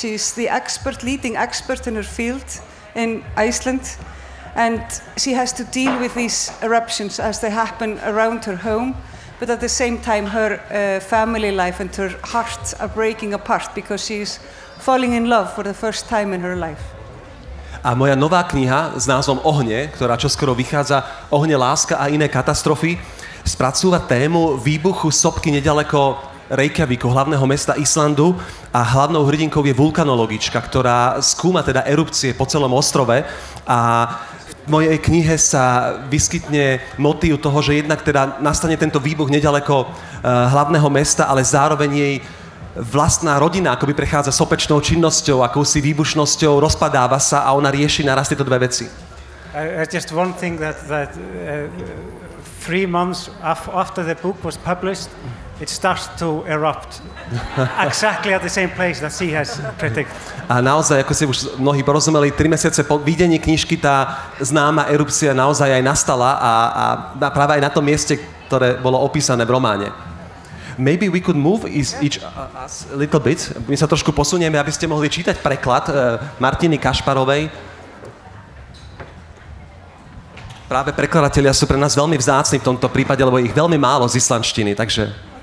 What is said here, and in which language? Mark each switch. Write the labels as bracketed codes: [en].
[en] She's the expert, leading expert in her field in Iceland. And she has to deal with these eruptions as they happen around her home. But at the same time, her family life and her heart are breaking apart because she's falling in love for the first time in her life. [sk] A moja nová kniha s názvom Ohne, ktorá čoskoro vychádza, Ohne, láska a iné katastrofy, spracúva tému výbuchu sopky neďaleko Reykjaviku, hlavného mesta Islandu, a hlavnou hrdinkou je vulkanologička, ktorá skúma teda erupcie po celom ostrove. A v mojej knihe sa vyskytne motív toho, že jednak teda nastane tento výbuch neďaleko hlavného mesta, ale zároveň jej vlastná rodina akoby prechádza sopečnou činnosťou, akousi výbušnosťou, rozpadáva sa a ona rieši naraz tieto dve veci. [en] Just one thing that 3 months after the book was published, it starts to erupt exactly at the same place that she has predicted. [sk] A naozaj, ako si už mnohí porozumeli, 3 mesiace po vydení knižky tá známa erupcia naozaj aj nastala a práve aj na tom mieste, ktoré bolo opísané v románe. [en] Maybe we could move each us a little bit. [sk] My sa trošku posunieme, aby ste mohli čítať preklad Martiny Kašparovej. Práve prekladatelia sú pre nás veľmi vzácni v tomto prípade, lebo ich veľmi málo z islandštiny, takže...